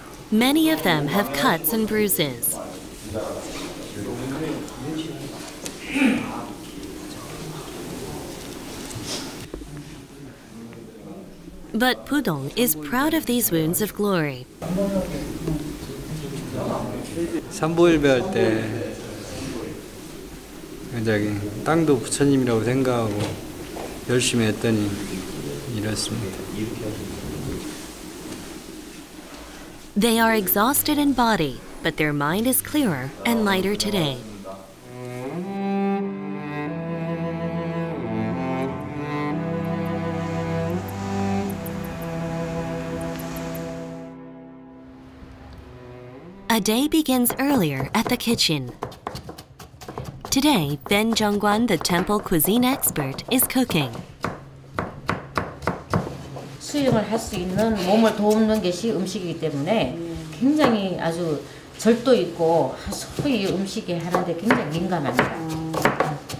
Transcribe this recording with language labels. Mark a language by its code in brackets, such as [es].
[en] Many of them have cuts and bruises. But Pudong is proud of these wounds of glory. [ko] 삼보일배 할 때 굉장히 땅도 부처님이라고 생각하고 열심히 했더니 이렇습니다. [en] They are exhausted in body, but their mind is clearer and lighter today. 1 day begins earlier at the kitchen. Today, Ben Jungwan, the temple cuisine expert, is cooking. [ko] 수행을 할 수 있는 몸을 돕는 것이 음식이기 때문에 굉장히 아주 절도 있고 소위 음식에 하는데 굉장히 민감합니다.